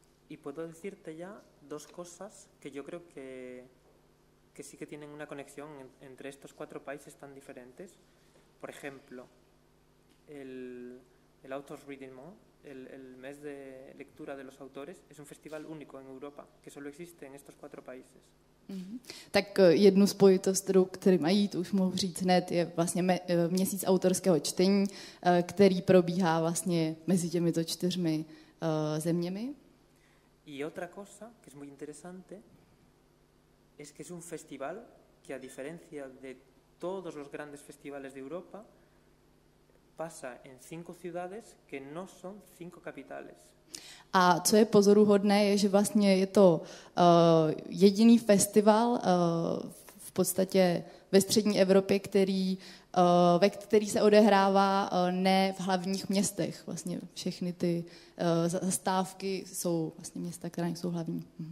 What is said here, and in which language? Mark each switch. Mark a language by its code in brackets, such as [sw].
[es] Y puedo decirte ya dos cosas que yo creo que sí que tienen una conexión entre estos cuatro países tan diferentes. Por ejemplo, el Authors Reading Month, el mes de lectura de los autores, es un festival único en Europa que solo existe en estos cuatro países. [cs] Tak jednu spojitost, kterou mají, to už mohu říct hned, je vlastně měsíc autorského čtení, který probíhá vlastně mezi těmito čtyřmi zeměmi. [es] Y otra cosa que es muy interesante es que es un festival que a diferencia de todos los grandes festivales de Europa pasa en cinco ciudades que no son cinco capitales. [cs] A co je pozoruhodné, je, že vlastně je to jediný festival v podstatě ve střední Evropě, který se odehrává ne v hlavních městech. Vlastně všechny ty zastávky jsou vlastně města, která nejsou hlavní.